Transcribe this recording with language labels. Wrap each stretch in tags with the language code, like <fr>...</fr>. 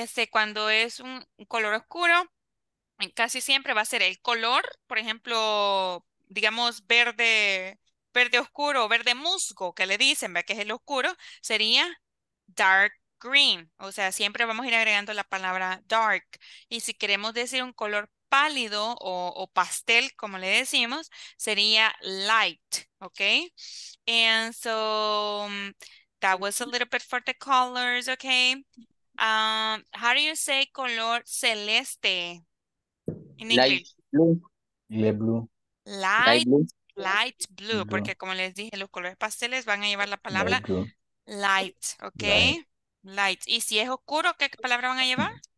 <es>Cuando es un color oscuro, casi siempre va a ser el color, por ejemplo, digamos verde oscuro, verde musgo, que le dicen, ¿ve? Que es el oscuro, sería dark green. O sea, siempre vamos a ir agregando la palabra dark. Y si queremos decir un color pálido o pastel, como le decimos, sería light, okay?</es> <en>And so that was a little bit for the colors, okay? How do you say color celeste in English? Light blue. Light blue.</en> <es>Porque como les dije, los colores pasteles van a llevar la palabra light, okay? Light. Y si es oscuro, ¿qué palabra van a llevar?</es>